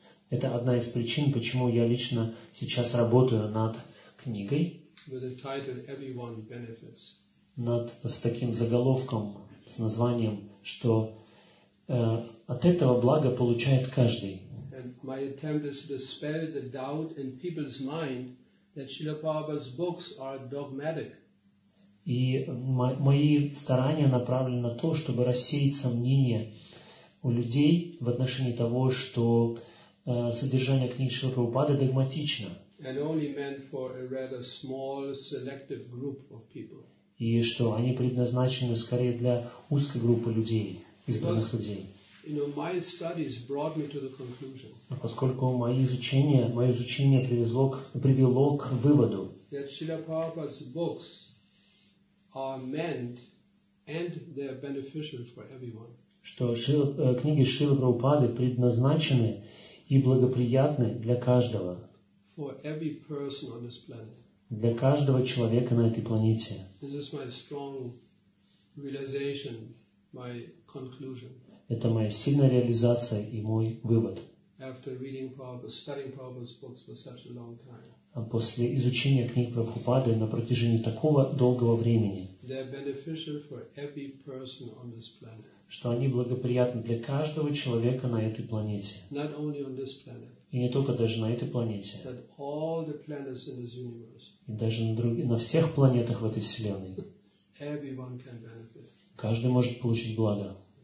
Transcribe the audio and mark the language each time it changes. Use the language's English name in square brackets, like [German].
[Russian] Это одна из причин, почему я лично сейчас работаю над книгой. [English] With the title "Everyone Benefits". [Russian] Над с таким заголовком с названием, что от этого блага получает каждый. [English] And my attempt is to dispel the doubt in people's mind that Srila Prabhupada's books are dogmatic. [Russian] И мои старания направлены на то, чтобы рассеять сомнения у людей в отношении того, что содержание книг Шрила Прабхупады догматично. [English] And only meant for a rather small, selective group of people. [Russian] И что они предназначены скорее для узкой группы людей, избранных людей. [English] You know, my studies brought me to the conclusion. [Russian] Поскольку мое изучение привело к выводу. [English] That Srila Prabhupada's books are meant and they are beneficial for everyone. [Russian] Что книги Шрилы Прабхупады предназначены и благоприятны для каждого. [English] For every person on this planet. [Russian] Для каждого человека на этой планете. [English] This is my strong realization, my conclusion. [Russian] Это моя сильная реализация и мой вывод. [English] After reading Prabhupada, studying Prabhupada's books for such a long time. [Russian] А после изучения книг Прабхупады на протяжении такого долгого времени. [English] They are beneficial for every person on this planet. [Russian] Что они благоприятны для каждого человека на этой планете. [English] Not only on this planet. [Russian] И не только даже на этой планете. [English] That all the planets in this universe. [Russian] И даже на всех планетах в этой вселенной. [English] Everyone can benefit. [Russian] Каждый может получить благо.